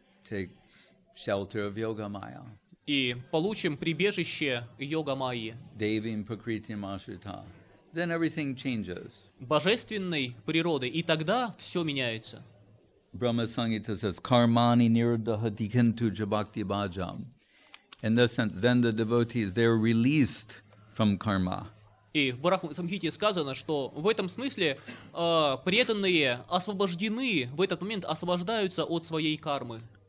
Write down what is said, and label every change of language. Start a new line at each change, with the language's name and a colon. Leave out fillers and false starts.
English: Take shelter of Yogamaya.
Russian: И получим прибежище Йогамайи.
Sanskrit: Дайвим пракрити масрита.
English: Then everything changes.
Russian: Божественной природы, и тогда все меняется.
English: Brahma Sangita says,
Sanskrit: "Karmani niruddha dikantu jabakti bhajam."
English: In this sense, then the devotees they're released from karma.
Russian: И в Брахма Самхите сказано, что в этом смысле преданные освобождены в этот момент освобождаются от своей кармы.